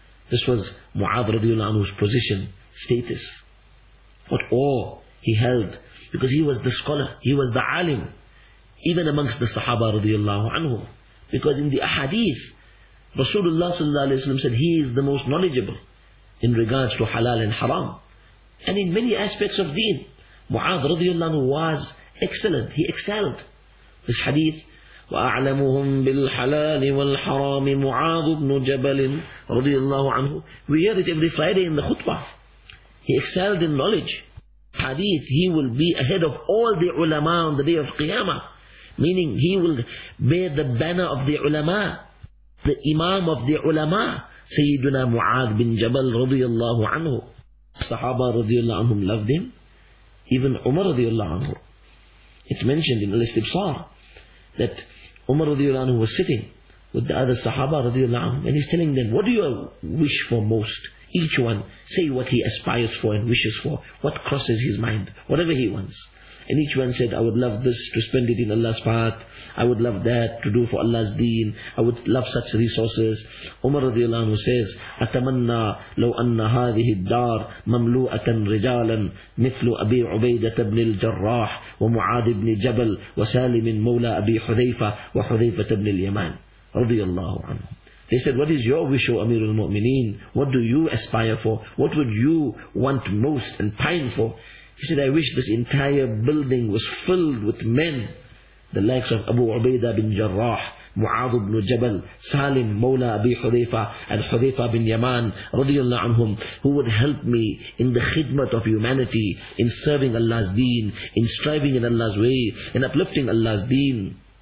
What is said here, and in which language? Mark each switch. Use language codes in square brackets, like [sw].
[en] This was Mu'adh radiallahu anhu's position, status. What awe he held, because he was the scholar, he was the alim. Even amongst the Sahaba radiallahu anhum. Because in the ahadith, Rasulullah sallallahu alayhi wa sallam said, he is the most knowledgeable in regards to halal and haram. And in many aspects of deen, Mu'adh radiallahu anhu was excellent. He excelled. [ar] This hadith, وَأَعْلَمُهُمْ بِالْحَلَالِ وَالْحَرَامِ مُعَاذُ بْنُ جَبَلٍ radiallahu anhu. [en] We hear it every Friday in the khutbah. He excelled in knowledge. Hadith, he will be ahead of all the ulama on the day of Qiyamah. Meaning, he will bear the banner of the ulama, the imam of the ulama, Sayyiduna Mu'adh bin Jabal radiyallahu anhu. Sahaba radiyallahu anhum loved him. Even Umar radiyallahu anhu. It's mentioned in Al-Istibsar that Umar radiyallahu anhu was sitting with the other Sahaba radiyallahu anhum, and he's telling them, what do you wish for most? Each one, say what he aspires for and wishes for, what crosses his mind, whatever he wants. And each one said, I would love this to spend it in Allah's path. I would love that to do for Allah's deen. I would love such resources. Umar radiallahu anhu says, [ar] أَتَمَنَّا لَوْ أَنَّ هَذِهِ الدَّارِ مَمْلُوءَةً رِجَالًا مِثْلُ أَبِي عُبَيْدَةَ بْنِ الْجَرَّاحِ وَمُعَادِ بْنِ جَبَلْ وَسَالِمٍ مَوْلَى أَبِي حُذَيْفَ وَحُذَيْفَةَ بْنِ الْيَمَانِ radiallahu anhu. [en] They said, what is your wish, O Amir al-Mu'mineen? What do you aspire for? What would you want most and pine for? He said, I wish this entire building was filled with men. The likes of Abu Ubaidah bin Jarrah, Mu'adh ibn Jabal, Salim, Mawla Abi Hudhaifa, and Hudhaifa bin Yaman, radiyallahu anhum, who would help me in the khidmat of humanity, in serving Allah's deen, in striving in Allah's way, in uplifting Allah's deen.